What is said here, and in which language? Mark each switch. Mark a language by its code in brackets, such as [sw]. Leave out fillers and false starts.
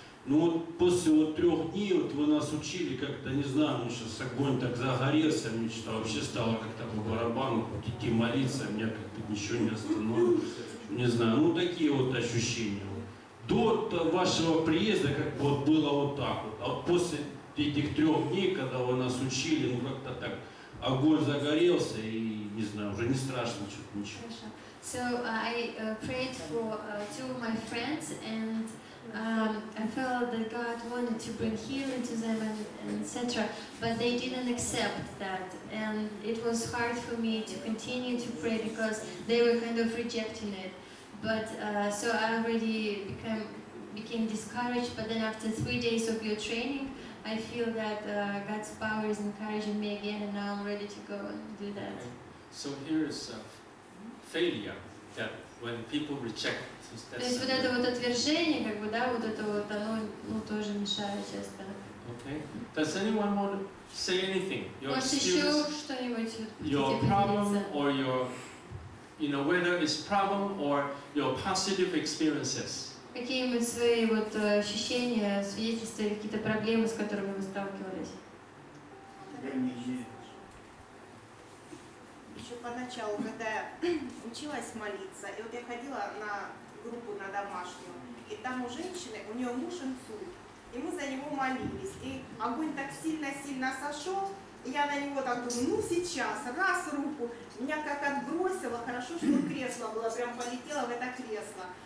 [ru] Но вот после вот трех дней вот вы нас учили как-то, не знаю, ну сейчас огонь так загорелся, мне что вообще стало как-то по барабану хоть идти молиться, меня как бы ничего не остановило. Не знаю, ну такие вот ощущения. До вашего приезда как бы вот было вот так вот, а вот после этих трех дней, когда вы нас учили, ну как-то так. Огонь загорелся и не знаю, уже не страшно что-то ничего. Хорошо. [en] So I prayed for two of my friends and I felt that God wanted to bring healing to them and etc. But they didn't accept that and it was hard for me to continue to pray because they were kind of rejecting it. But so I already became discouraged. But then after 3 days of your training. I feel that God's power is encouraging me again, and now I'm ready to go and do that. Okay. So here is failure, that when people reject. [ru] То есть вот это вот отвержение, как бы, да, вот это вот, оно, ну, тоже мешает часто. [en] Okay. Does anyone want to say anything? Your excuse, your problem, or your, you know, whether it's problem or your positive experiences. [ru] Какие-нибудь свои вот ощущения, свидетельства или какие-то проблемы, с которыми вы сталкивались? Я не верю. Еще поначалу, когда я училась молиться, и вот я ходила на группу на домашнюю, и там у женщины, у нее муж инсульт, и мы за него молились, и огонь так сильно-сильно сошел, и я на него так думаю, ну сейчас, раз руку, меня как отбросило, хорошо, что кресло было, прям полетело в это кресло.